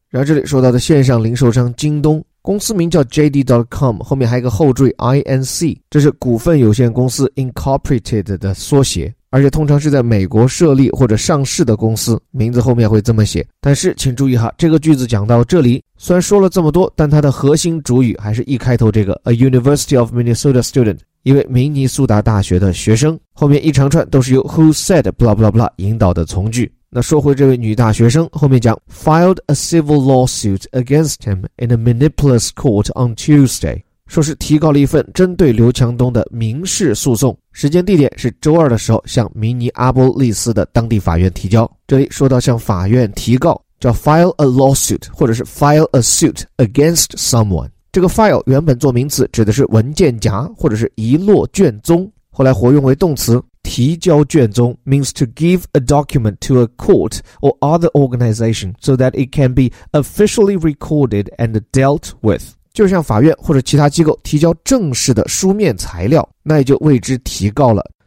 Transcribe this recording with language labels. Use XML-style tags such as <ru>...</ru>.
<zh>然后这里说到的线上零售商京东，公司名叫 JD.com， 后面还有一个后缀 INC， 这是股份有限公司 Incorporated 的缩写，而且通常是在美国设立或者上市的公司，名字后面会这么写。但是请注意哈，这个句子讲到这里，虽然说了这么多，但它的核心主语还是一开头这个</zh> <en>A University of Minnesota student，</en> <zh>一位明尼苏达大学的学生，后面一长串都是由</zh> <en>who said blah blah blah</en> <zh>引导的从句。那说回这位女大学生，后面讲</zh> <en>filed a civil lawsuit against him in a municipal court on Tuesday，</en> <zh>说是提告了一份针对刘强东的民事诉讼，时间地点是周二的时候向明尼阿波利斯的当地法院提交。这里说到向法院提告，叫</zh> <en>file a lawsuit</en> <zh>或者是</zh> <en>file a suit against someone。</en> <zh>这个 file 原本做名词指的是文件夹或者是遗落卷宗，后来活用为动词，提交卷宗</zh> <en>means to give a document to a court or other organization so that it can be officially recorded and dealt with，</en> <zh>就像法院或者其他机构提交正式的书面材料，那也就为之提告了。</zh>